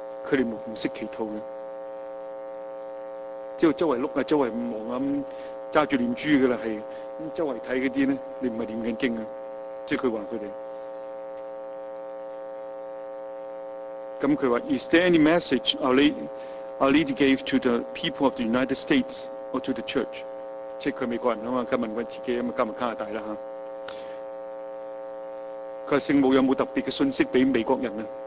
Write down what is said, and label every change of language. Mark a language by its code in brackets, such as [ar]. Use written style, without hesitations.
[zh] 他們不懂得祈禱的，只要周圍看，周圍看，拿著念珠的了，是，周圍看那些呢，你不是念經的，就是他說他們。他說， [en] Is there any message our lady gave to the people of the United States or to the church？ [zh] 就是他美國人，他問他自己，加上加拿大。他說聖母有沒有特別的訊息給美國人呢？